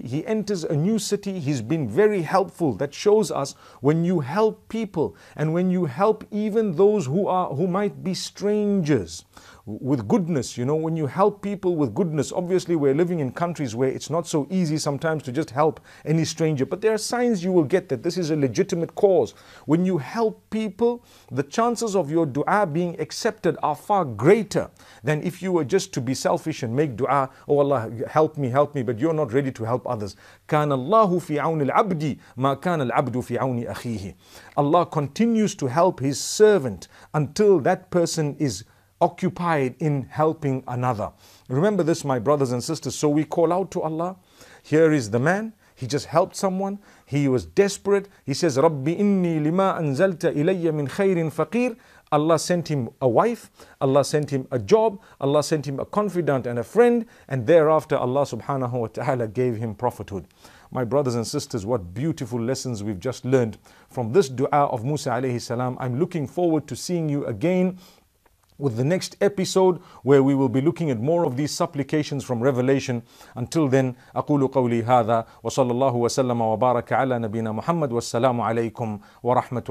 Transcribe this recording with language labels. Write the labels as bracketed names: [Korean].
[English] He enters a new city. He's been very helpful. That shows us when you help people and when you help even those who might be strangers with goodness, you know, when you help people with goodness, obviously we're living in countries where it's not so easy sometimes to just help any stranger, but there are signs you will get that this is a legitimate cause. When you help people, the chances of your dua being accepted are far greater than if you were just to be selfish and make dua, oh Allah, help me, but you're not ready to help others. [Arabic] كان الله في عون العبد ما كان العبد في عون أخيه. [English] Allah continues to help his servant until that person is occupied in helping another. Remember this, my brothers and sisters. So we call out to Allah. Here is the man. He just helped someone. He was desperate. He says, [Arabic] Rabbi inni lima anzalta ilayya min khayrin faqir. [English] Allah sent him a wife. Allah sent him a job. Allah sent him a confidant and a friend. And thereafter, Allah subhanahu wa ta'ala gave him prophethood. My brothers and sisters, what beautiful lessons we've just learned from this dua of Musa alayhi salam. I'm looking forward to seeing you again with the next episode where we will be looking at more of these supplications from Revelation. Until then, [Arabic] أقول قولي هذا وصلى الله وسلم وبارك على نبينا محمد والسلام عليكم ورحمة الله.